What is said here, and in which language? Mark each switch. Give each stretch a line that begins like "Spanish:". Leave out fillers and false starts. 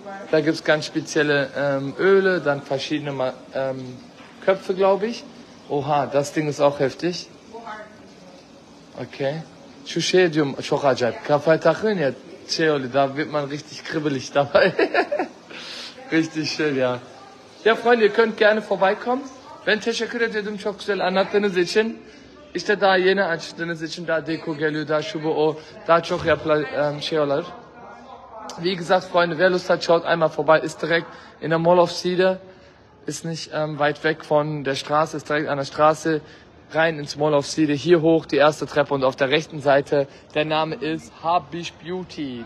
German: Da gibt es ganz spezielle Öle, dann verschiedene Köpfe, glaube ich. Oha, das Ding ist auch heftig. Okay.
Turkish: Şu şey diyorum, çok acayip. Kafayı takıyorsun ya, şey oluyor,
German: da wird man richtig kribbelig dabei. Richtig schön, ja. Ja, Freunde, ihr könnt gerne vorbeikommen.
Turkish: Ben teşekkür ederim, çok güzel anlattığınız için. İşte daha yeni açtığınız için, daha deko geliyor, daha şu bu o, daha çok şey olur.
German: Wie gesagt, Freunde, wer Lust hat, schaut einmal vorbei. Ist direkt in der Mall of Cedar. Ist nicht weit weg von der Straße. Ist direkt an der Straße. Rein ins Mall of Cedar. Hier hoch, die erste Treppe. Und auf der rechten Seite, der Name ist Habich Beauty.